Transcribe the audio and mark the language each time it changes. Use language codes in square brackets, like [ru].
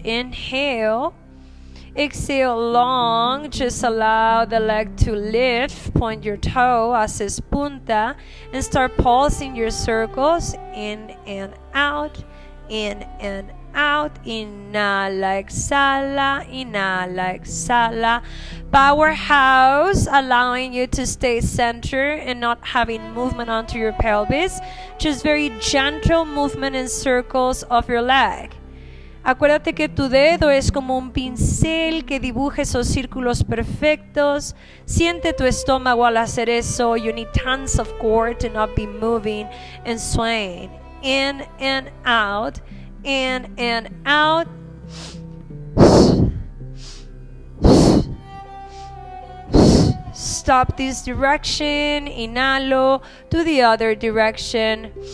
[en] Inhale. Exhale long, just allow the leg to lift, point your toe, [es] haces punta, [en] and start pulsing your circles, in and out, [es] inhala, exhala, inhala, exhala. [en] Powerhouse, allowing you to stay center and not having movement onto your pelvis, just very gentle movement in circles of your leg. [es] Acuérdate que tu dedo es como un pincel que dibuja esos círculos perfectos. Siente tu estómago al hacer eso. [en] You need tons of core to not be moving and swaying. In and out. In and out. Stop this direction. Inhalo to the other direction.